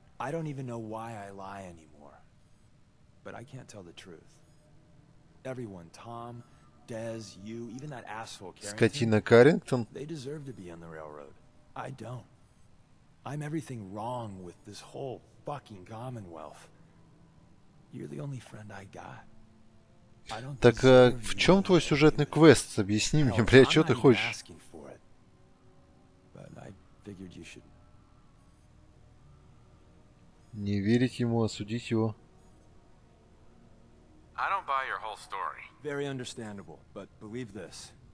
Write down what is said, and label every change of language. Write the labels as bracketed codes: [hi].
[en] I don't even know why I lie anymore. But I can't tell the truth. Everyone, Tom... Dez, you, even that asshole Carrington. [ru] Скотина Каррингтон. [en] They deserve to be on the railroad. I don't. I'm everything wrong with this whole fucking Commonwealth. You're the only friend I got. I don't. [ru] Так в чем твой сюжетный квест? Объясни мне, бля, что ты хочешь? [en] But I figured you should. [ru] Не верить ему, осудить его. [en] I don't buy your whole story. Very understandable, but believe this.